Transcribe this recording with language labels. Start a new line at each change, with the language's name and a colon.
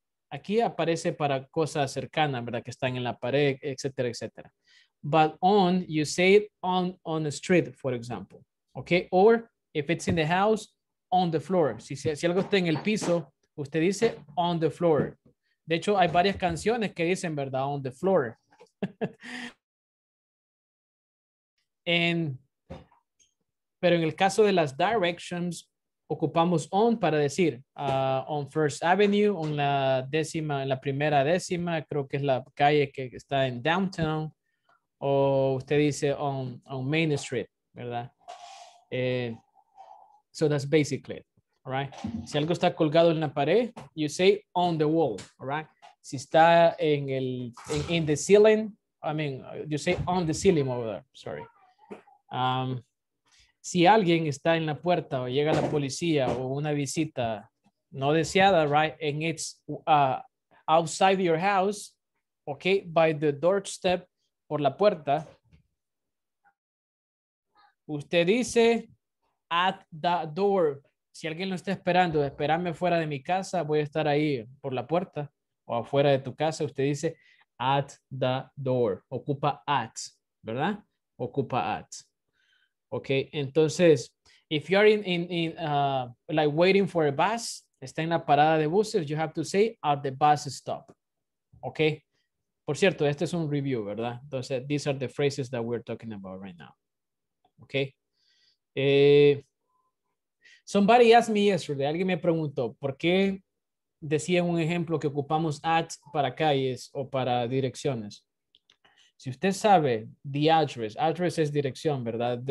Spanish: Aquí aparece para cosas cercanas, ¿verdad? Que están en la pared, etcétera, etcétera.
English: But on, you say it on the street, for example. Okay, or if it's in the house, on the floor.
Spanish: Si algo está en el piso, usted dice
English: on the floor.
Spanish: De hecho, hay varias canciones que dicen, ¿verdad?
English: On the floor.
Spanish: Pero en el caso de las directions, ocupamos on para decir
English: on First Avenue,
Spanish: on la décima, en la primera décima, creo que es la calle que está en downtown, o usted dice
English: on Main Street,
Spanish: ¿verdad?
English: So that's basically it, all right?
Spanish: Si algo está colgado en la pared,
English: you say on the wall, all right?
Spanish: Si está en el,
English: in the ceiling, I mean, you say on the ceiling over there, sorry.
Spanish: Si alguien está en la puerta o llega la policía o una visita no deseada, right?
English: And it's outside your house, okay? By the doorstep,
Spanish: por la puerta. Usted dice
English: at the door.
Spanish: Si alguien lo está esperando, espérame fuera de mi casa, voy a estar ahí por la puerta o afuera de tu casa. Usted dice
English: at the door.
Spanish: Ocupa at, ¿verdad? Ocupa at.
English: Okay, entonces, if you're like waiting for a bus,
Spanish: está en la parada de buses,
English: you have to say at the bus stop.
Spanish: Okay, por cierto, este es un review, ¿verdad?
English: Entonces, these are the phrases that we're talking about right now. Okay, somebody asked me yesterday,
Spanish: alguien me preguntó, ¿por qué decía un ejemplo que ocupamos at para calles o para direcciones? Si usted sabe the address, address es dirección, ¿verdad?